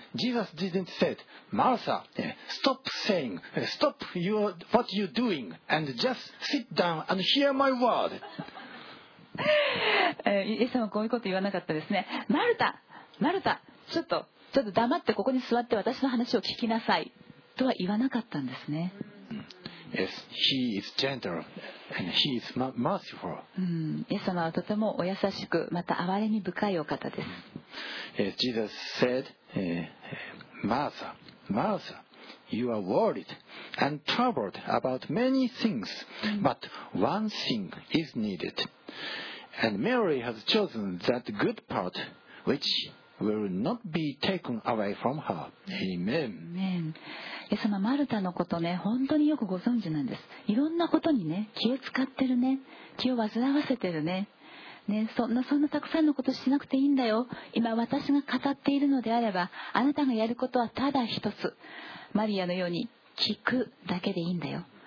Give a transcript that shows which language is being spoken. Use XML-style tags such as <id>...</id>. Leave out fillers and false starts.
<en>Jesus didn't say, Martha, stop saying, stop your, what you're doing and just sit down and hear my word.</en> <ja>イエス様はこういうこと言わなかったですね。マルタ、マルタ、ちょっと黙ってここに座って私の話を聞きなさいとは言わなかったんですね。</ja> <en>Yes, he is gentle and he is merciful.</en> <ja>イエス様はとてもお優しく、また憐れみ深いお方です。</ja> <en>Yes, Jesus said, Martha, Martha, you are worried and troubled about many things, but one thing is needed. And Mary has chosen that good part, which will not be taken away from her. Amen. Amen.</en> <ja>イエス様、マルタのことね、本当によくご存知なんです。いろんなことにね、気を使ってるね、気を煩わせてるね、ね、そんなたくさんのことしなくていいんだよ。今私が語っているのであれば、あなたがやることはただ一つ、マリアのように聞くだけでいいんだよ。</ja>